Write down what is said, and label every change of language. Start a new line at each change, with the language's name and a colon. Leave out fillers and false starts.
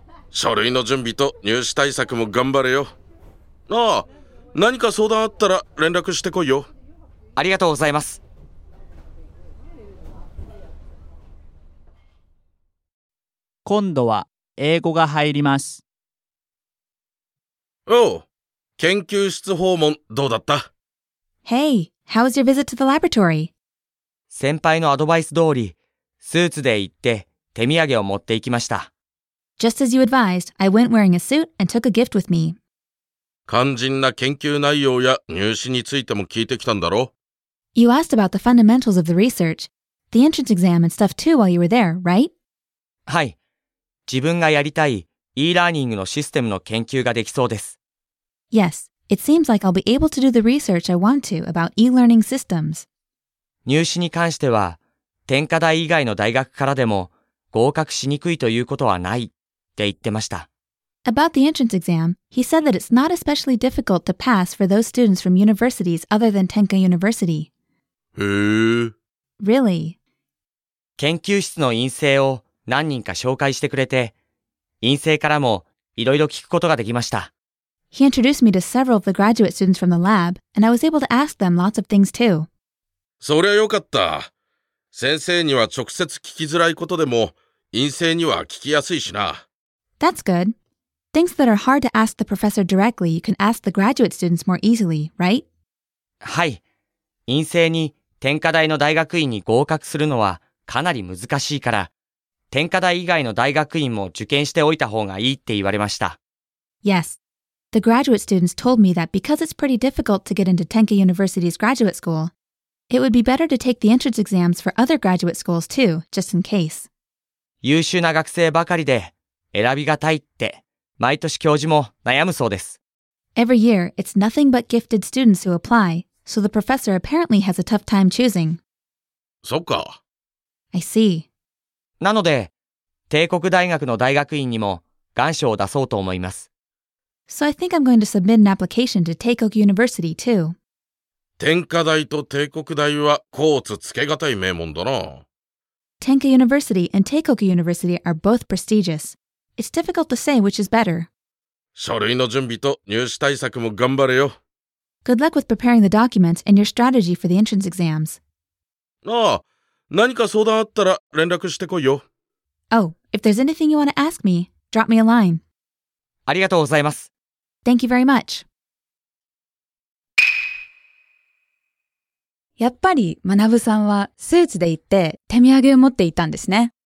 Japanese: 書類の準備と入試対策も頑張れよ。ああ、何か相談あったら連絡してこいよ。ありがとうございます。今度は英語が入ります。おう、研究室訪問どうだった？
English: Hey, how was your visit to the laboratory?
Japanese: 先輩のアドバイス通り、スーツで行って手土産を持って行きました。
English: Just as you advised, I went wearing a suit and took a gift with me.
Japanese: 肝心な研究内容や入試についても聞いてきたんだろう。
English: You asked about the fundamentals of the research, the entrance exam and stuff too while you were there, right?
Japanese: はい。自分がやりたい e ラーニングのシステムの研究ができそうです。
English: Yes, it seems like I'll be able to do the research I want to about e-learning systems.
Japanese: 入試に関しては、天下大以外の大学からでも合格しにくいということはないって言ってました。
English: About the entrance exam, he said that it's not especially difficult to pass for those students from universities other than Tenka University.
Japanese: へぇ。
English: Really?
Japanese: 研究室の院生を何人か紹介してくれて、院生からもいろいろ聞くことができました。
English: He introduced me to several of the graduate students from the lab, and I was able to ask them lots of things too.
Japanese: そりゃよかった。先生には直接聞きづらいことでも、院生には聞きやすいしな。
English: That's good. Things that are hard to ask the professor directly, you can ask the graduate students more easily, right?
Japanese: はい。院生に天下大の大学院に合格するのはかなり難しいから、天下大以外の大学院も受験しておいた方がいいって言われました。
English: Yes. The graduate students told me that because it's pretty difficult to get into Tenka University's graduate school,It would be better to take the entrance exams for other graduate schools too, just in case.
Japanese: 優秀な学生ばかりで選びがたいって毎年教授も悩むそうです。
English: Every year, it's nothing but gifted students who apply, so the professor apparently has a tough time choosing.
Japanese: そっか。
English: I see.
Japanese: なので、帝国大学の大学院にも願書を出そうと思います。
English: So I think I'm going to submit an application to Teikoku University too.
Japanese: 天下大と帝国大は甲乙つけがたい名門だな。
English: Tenka University and Teikoku University are both prestigious. It's difficult to say which is better.
Japanese: 書類の準備と入試対策も頑張れよ。
English: Good luck with preparing the documents and your strategy for the entrance exams.
Japanese: ああ、何か相談あったら連絡してこいよ。
English: Oh, if there's anything you want to ask me, drop me a line.
Japanese: ありがとうございます。
English: Thank you very much.
Japanese: やっぱり、マナブさんはスーツで行って手土産を持っていたんですね。